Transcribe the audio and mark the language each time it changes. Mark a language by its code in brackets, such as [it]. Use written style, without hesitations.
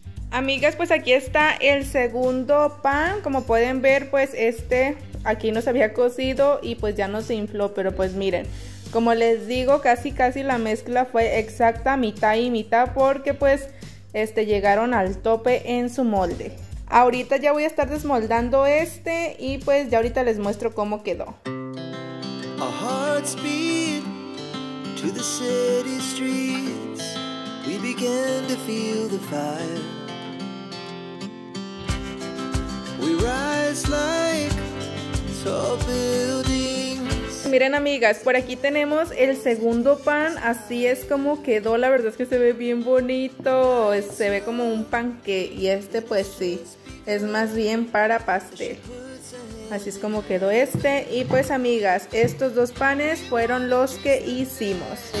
[es] Amigas, pues aquí está el segundo pan. Como pueden ver, pues, este aquí no se había cocido y pues ya no se infló. Pero pues, miren. Como les digo, casi la mezcla fue exacta, mitad y mitad, porque pues llegaron al tope en su molde. Ahorita ya voy a estar desmoldando este y pues ya ahorita les muestro cómo quedó. [en] A heart speed to the city streets, we began to feel the fire. We rise like tall buildings. [es] miren, amigas, por aquí tenemos el segundo pan. Así es como quedó. La verdad es que se ve bien bonito. Se ve como un panque. Y este, pues sí, es más bien para pastel. Así es como quedó este. Y pues, amigas, estos dos panes fueron los que hicimos.